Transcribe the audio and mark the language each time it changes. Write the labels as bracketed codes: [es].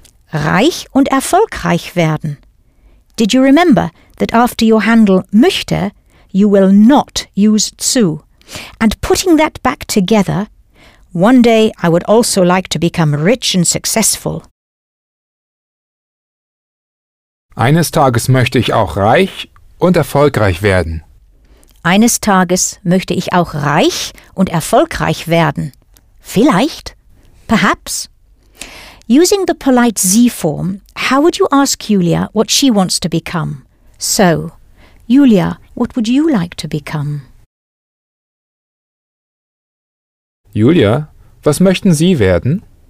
[de] Reich und erfolgreich werden. [en] Did you remember that after your handle möchte, you will not use zu? And putting that back together, one day I would also like to become rich and successful. [de] Eines Tages möchte ich auch reich und erfolgreich werden. Eines Tages möchte ich auch reich und erfolgreich werden. Vielleicht. Perhaps. [en] Using the polite Sie form, how would you ask Julia what she wants to become? So, Julia, what would you like to become? [de] Julia, was möchten Sie werden?